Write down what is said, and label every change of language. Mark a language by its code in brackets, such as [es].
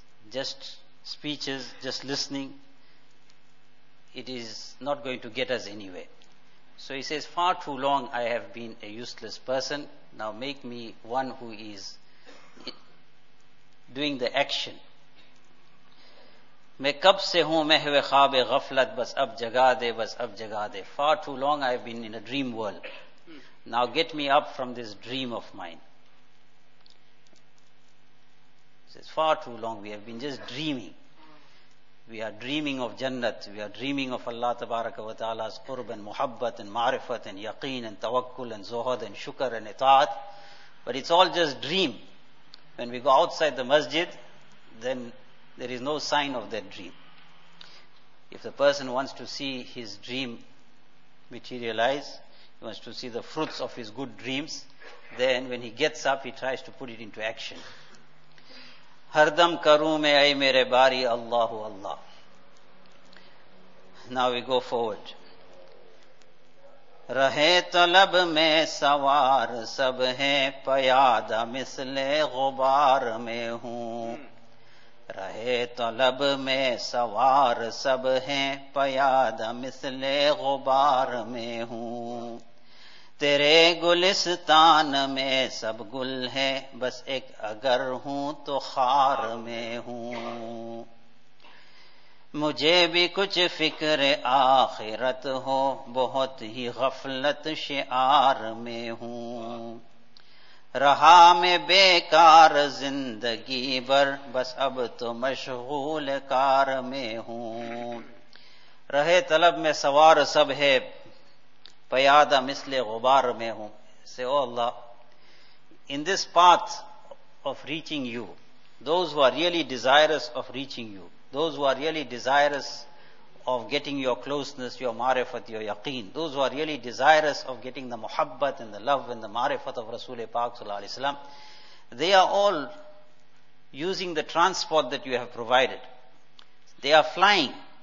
[en] Just speeches, just listening, it is not going to get us anywhere. So he says, far too long I have been a useless person. Now make me one who is doing the action. [ur] میں کب سے ہوں محو خواب غفلت, بس اب جگا دے, بس اب جگا دے. [en] Far too long I have been in a dream world. Now get me up from this dream of mine. He says, far too long we have been just dreaming. We are dreaming of Jannat, we are dreaming of Allah tabaraka wa ta'ala's qurb and muhabbat and ma'rifat and yaqeen and tawakkul and zuhud and shukr and ita'at. But it's all just dream. When we go outside the masjid, then there is no sign of that dream. If the person wants to see his dream materialize, he wants to see the fruits of his good dreams, then when he gets up, he tries to put it into action. [ur] ہر دم کروں میں اے میرے باری اللہ اللہ. [en] Now we go forward. [ur] رہے طلب میں سوار سب ہیں پیادہ مثل غبار میں ہوں. رہے طلب میں سوار سب ہیں پیادہ مثل غبار میں ہوں. تیرے گلستان میں سب گل ہیں, بس ایک اگر ہوں تو خار میں ہوں. مجھے بھی کچھ فکر آخرت ہو, بہت ہی غفلت شعار میں ہوں. رہا میں بیکار زندگی بھر, بس اب تو مشغول کار میں ہوں. رہے طلب میں سوار سب ہے پیادہ مثل غبار میں ہوں. [en] Say, oh Allah, in this path of reaching you, those who are really desirous of reaching you, those who are really desirous of getting your closeness, your marifat, your yaqeen, those who are really desirous of getting the muhabbat and the love and the marifat of Rasul Pak sallallahu alayhi wa sallam, they are all using the transport that you have provided. They are flying.